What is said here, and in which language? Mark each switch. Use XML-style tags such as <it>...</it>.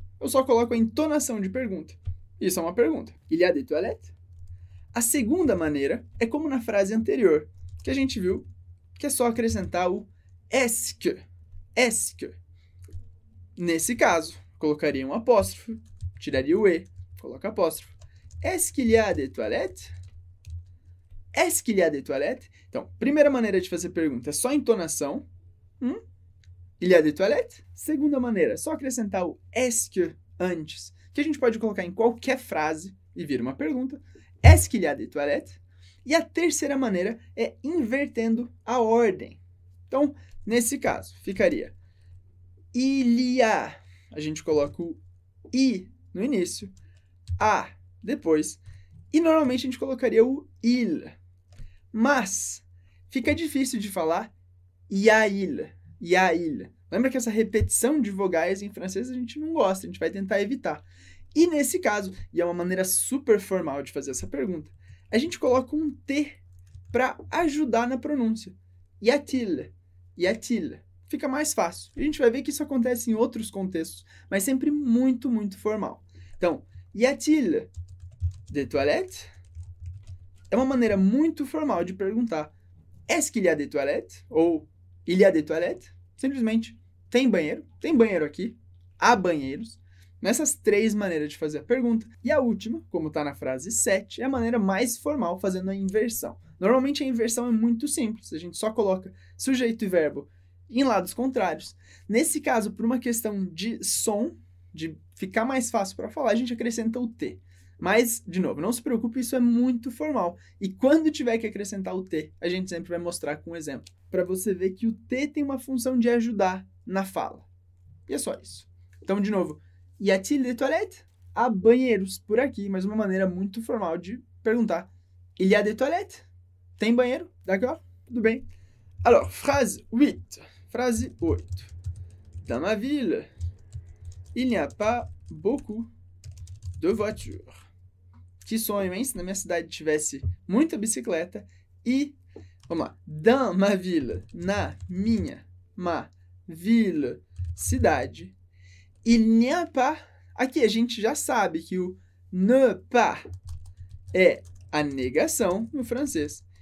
<pt>Eu só coloco a entonação de pergunta. Isso é uma pergunta.</pt> <fr>Il y a des toilettes?</fr> <pt>A segunda maneira é como na frase anterior, que a gente viu que é só acrescentar o est-ce que. Est-ce que. Nesse caso, colocaria um apóstrofo, tiraria o E, coloca apóstrofo.</pt> <fr>Est-ce qu'il y a des toilettes? Est-ce qu'il y a des toilettes?</fr> <pt>Então, primeira maneira de fazer pergunta é só entonação.</pt> <fr>Il y a des toilettes?</fr> <pt>Segunda maneira, só acrescentar o est-ce que antes, que a gente pode colocar em qualquer frase e vira uma pergunta.</pt> <fr>Est-ce qu'il y a des toilettes?</fr> <pt>E a terceira maneira é invertendo a ordem. Então, nesse caso, ficaria il y a, a gente coloca o i no início, a depois, e normalmente a gente colocaria o il. Mas fica difícil de falar y a il, y a il. Lembra que essa repetição de vogais em francês a gente não gosta, a gente vai tentar evitar. E nesse caso, e é uma maneira super formal de fazer essa pergunta, a gente coloca um T para ajudar na pronúncia.</pt> <fr>Y a-t-il? Y a-t-il?</fr> <pt>Fica mais fácil. A gente vai ver que isso acontece em outros contextos, mas sempre muito, muito formal. Então,</pt> <fr>y a-t-il des toilettes?</fr> <pt>É uma maneira muito formal de perguntar.</pt> <fr>Est-ce qu'il y a des toilettes?</fr> <pt>Ou,</pt> <fr>il y a des toilettes?</fr> <pt>Simplesmente, tem banheiro? Tem banheiro aqui? Há banheiros? Nessas três maneiras de fazer a pergunta. E a última, como está na frase 7, é a maneira mais formal fazendo a inversão. Normalmente a inversão é muito simples, a gente só coloca sujeito e verbo em lados contrários. Nesse caso, por uma questão de som, de ficar mais fácil para falar, a gente acrescenta o T. Mas, de novo, não se preocupe, isso é muito formal. E quando tiver que acrescentar o T, a gente sempre vai mostrar com um exemplo. Para você ver que o T tem uma função de ajudar na fala. E é só isso. Então, de novo,</pt> <fr>y a-t-il des toilettes?</fr> <pt>Há banheiros por aqui, mas uma maneira muito formal de perguntar.</pt> <fr>Il y a des toilettes?</fr> <pt>Tem banheiro?</pt> <fr>D'accord?</fr> <pt>Tudo bem.</pt> <fr>Alors, phrase 8.</fr> <pt>Frase 8.</pt> <fr>Dans ma ville, il n'y a pas beaucoup de voitures.</fr> <pt>Que sonho, hein? Se na minha cidade tivesse muita bicicleta e... Vamos lá.</pt> <fr>Dans ma ville,</fr> <pt>na minha,</pt> <fr>ma ville, cidade... Il n'y a pas,</fr> <pt>Aqui a gente já sabe que o ne pas é a negação no francês.</pt>